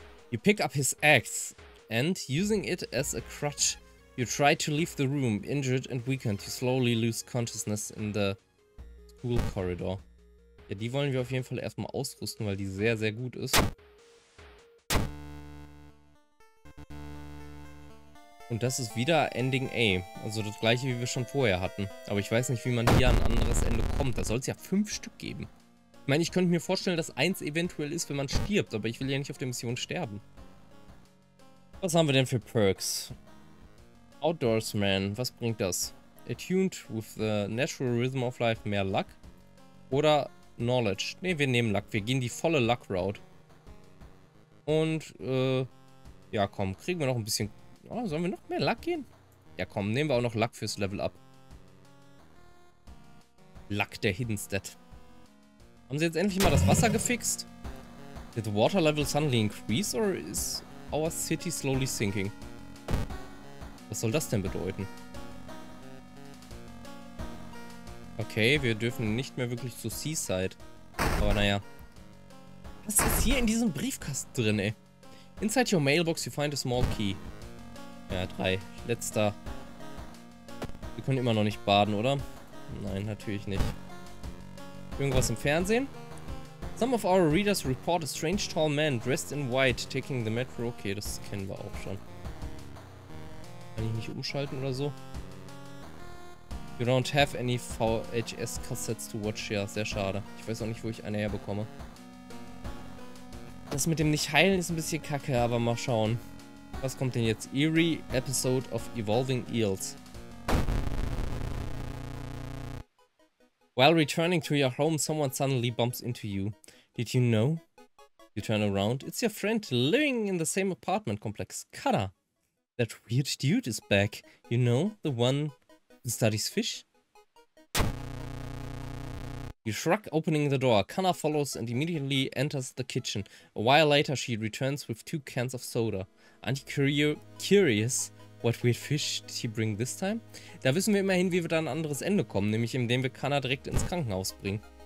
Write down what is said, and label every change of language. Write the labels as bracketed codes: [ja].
[en] You pick up his axe and using it as a crutch. You try to leave the room, injured and weakened. You slowly lose consciousness in the school corridor. [de] Ja, die wollen wir auf jeden Fall erstmal ausrüsten, weil die sehr, sehr gut ist. Und das ist wieder Ending A. Also das gleiche, wie wir schon vorher hatten. Aber ich weiß nicht, wie man hier an ein anderes Ende kommt. Da soll es ja 5 Stück geben. Ich meine, ich könnte mir vorstellen, dass 1 eventuell ist, wenn man stirbt. Aber ich will ja nicht auf der Mission sterben. Was haben wir denn für Perks? Outdoorsman, was bringt das? [en] Attuned with the natural rhythm of life, [de] mehr Luck? Oder Knowledge? Ne, wir nehmen Luck. Wir gehen die volle Luck Route. Und, ja, komm, kriegen wir noch ein bisschen. Oh, sollen wir noch mehr Luck gehen? Ja, komm, nehmen wir auch noch Luck fürs Level Up. Luck der Hidden Stat. Haben sie jetzt endlich mal das Wasser gefixt? [en] Did the water level suddenly increase or is our city slowly sinking? [de] Was soll das denn bedeuten? Okay, wir dürfen nicht mehr wirklich zu Seaside. Aber naja. Was ist hier in diesem Briefkasten drin, ey? [en] Inside your mailbox you find a small key. [de] Ja, 3. Letzter. Wir können immer noch nicht baden, oder? Nein, natürlich nicht. Irgendwas im Fernsehen? [en] Some of our readers report a strange tall man dressed in white taking the metro. [de] Okay, das kennen wir auch schon. Kann ich nicht umschalten oder so? [en] You don't have any VHS-Cassettes to watch, ja. [de] Sehr schade. Ich weiß auch nicht, wo ich eine herbekomme. Das mit dem Nicht-Heilen ist ein bisschen kacke, aber mal schauen. Was kommt denn jetzt? Eerie Episode of Evolving Eels. [en] While returning to your home, someone suddenly bumps into you. Did you know? You turn around. It's your friend living in the same apartment complex. Cutter. That weird dude is back. You know, the one who studies fish? You shrug, opening the door. Kana follows and immediately enters the kitchen. A while later, she returns with 2 cans of soda. Aren't you curious What weird fish did he bring this time? [de] Da wissen wir immerhin, wie wir da ein anderes Ende kommen, nämlich indem wir Kana direkt ins Krankenhaus bringen.